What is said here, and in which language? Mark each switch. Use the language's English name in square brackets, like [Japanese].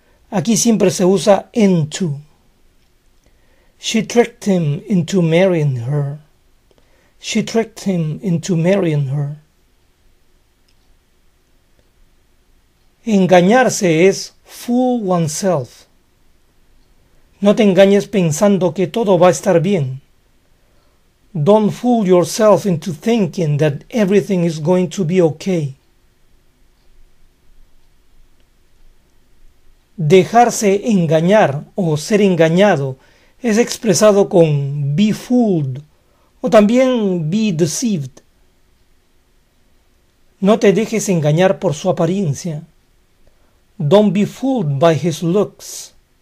[Spanish] Aquí siempre se usa [English] into. She tricked him into marrying her. She tricked him into marrying her. [Spanish] Engañarse es fool oneself. No te engañes pensando que todo va a estar bien. [English] Don't fool yourself into thinking that everything is going to be okay. [Spanish] Dejarse engañar o ser engañado es expresado con be fooled o también be deceived. No te dejes engañar por su apariencia. [English] Don't be fooled by his looks.